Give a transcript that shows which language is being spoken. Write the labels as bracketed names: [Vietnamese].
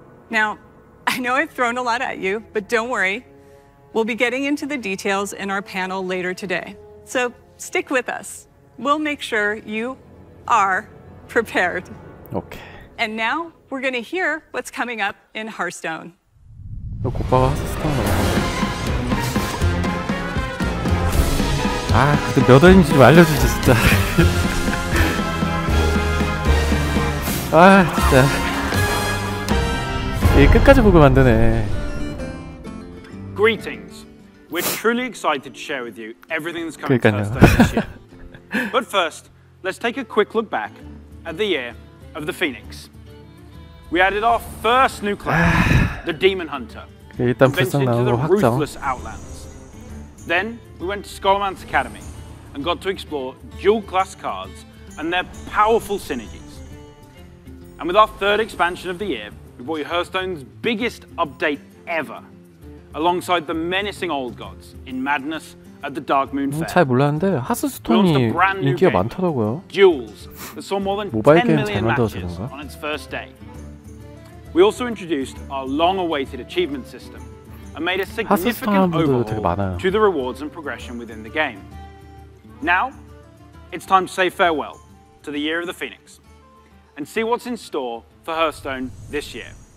[English] Now, I know I've thrown a lot at you, but don't worry. We'll be getting into the details in our panel later today. So stick with us. We'll make sure you are prepared. Okay. And now we're going to hear what's coming up in Hearthstone. [Korean] 오빠가 하스스톤 나왔네. 아, 그때 몇 원인지 좀 알려주지, 진짜. 아, 진짜. 이게 끝까지 보고 만드네. [English] Greetings. We're truly excited to share with you everything that's coming to Hearthstone this year. But first, let's take a quick look back at the year of the Phoenix. We added our first new class, the Demon Hunter. [Korean] 일단 불쌍 나온 거 확정. [English] Then we went to Skullmance Academy and got to explore dual class cards and their powerful synergies. And with our third expansion of the year, we brought you Hearthstone's biggest update ever, alongside the menacing old gods in Madness at the Darkmoon Fair. [Korean] 잘 몰랐는데 하스스톤이 인기가 많더라고요. [English] Duels that saw more than 10 million matches on its first day. We also introduced our long-awaited achievement system and made a significant overhaul to the rewards and progression within the game. Now, it's time to say farewell to the Year of the Phoenix and see what's in store for Hearthstone this year.